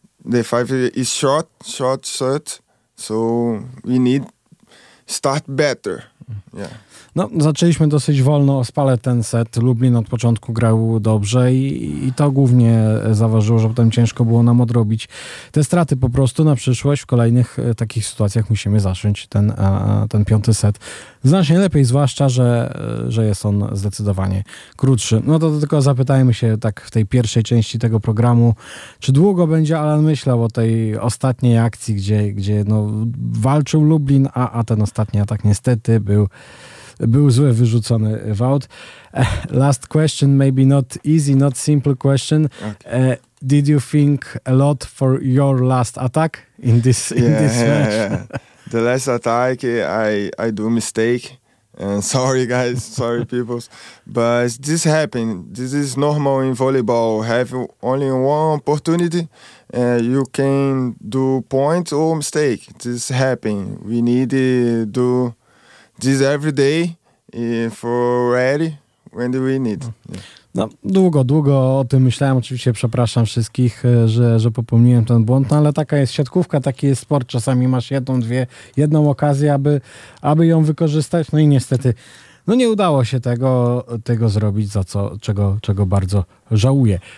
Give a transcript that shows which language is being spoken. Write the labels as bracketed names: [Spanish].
[English] the five is short set, so we need start better. Yeah. [Polish] No, zaczęliśmy dosyć wolno, ospale ten set. Lublin od początku grał dobrze i to głównie zaważyło, że potem ciężko było nam odrobić te straty po prostu na przyszłość. W kolejnych takich sytuacjach musimy zacząć ten piąty set znacznie lepiej, zwłaszcza, że jest on zdecydowanie krótszy. No to tylko zapytajmy się tak w tej pierwszej części tego programu, czy długo będzie Alan myślał o tej ostatniej akcji, gdzie no, walczył Lublin, a ten ostatni atak niestety był zły, wyrzucony w aut. [English] Last question, maybe not easy, not simple question. Okay. Did you think a lot for your last attack in this match? Yeah. The last attack, I do mistake. And sorry, guys. Sorry, people. But this happened. This is normal in volleyball. Have only one opportunity. You can do point or mistake. This happened. We need to do this every day for ready when we need. [Polish] No, długo o tym myślałem. Oczywiście przepraszam wszystkich, że popełniłem ten błąd, no, ale taka jest siatkówka, taki jest sport. Czasami masz jedną okazję, aby ją wykorzystać. No i niestety nie udało się tego zrobić, czego bardzo żałuję.